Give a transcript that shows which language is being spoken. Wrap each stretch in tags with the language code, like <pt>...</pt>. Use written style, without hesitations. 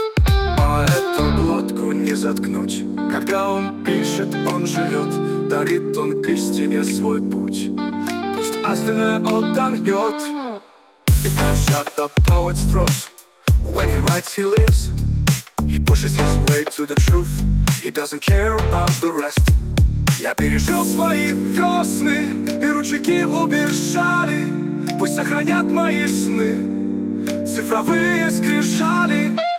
<ru>А эту глотку не заткнуть, когда он пишет, он живет, дарит он к истине свой путь, пусть остальное отдохнет. И как</ru> <en>shut up, poet's throat. When he writes, he lives. He pushes his way to the truth. He doesn't care about the rest.</en> <ru>Я пережил свои весны, и ручейки убежали. Пусть сохранят мои сны цифровые скрижали.</ru>